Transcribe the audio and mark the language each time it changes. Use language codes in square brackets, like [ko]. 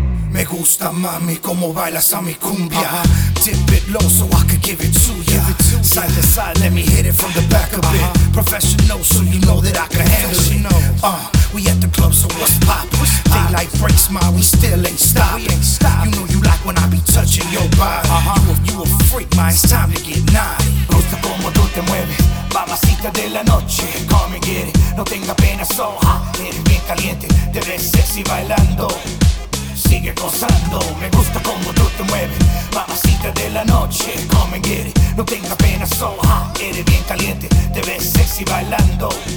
[es] Me gusta, mami, como bailas a mi cumbia. [en] Dip it low so I can give it to ya. Side to side, let me hit it from the back a bit. Professional, so you know that I can handle it. We at the club, so what's poppin'? Daylight breaks, ma, we still ain't stopping. You know you like when I be touching your body. You a freak, ma, it's time to get naughty. [es] Gusta como tú te mueves, mamacita de la noche. [en] Come and get it, [es] no tenga pena, [en] so hot. [es] Eres bien caliente, te ves sexy bailando. Sigue gozando, me gusta como tú te mueves. Mamacita de la noche, [en] come and get it. [es] No tenga pena, [en] so hot. [es] Eres bien caliente, te ves sexy bailando.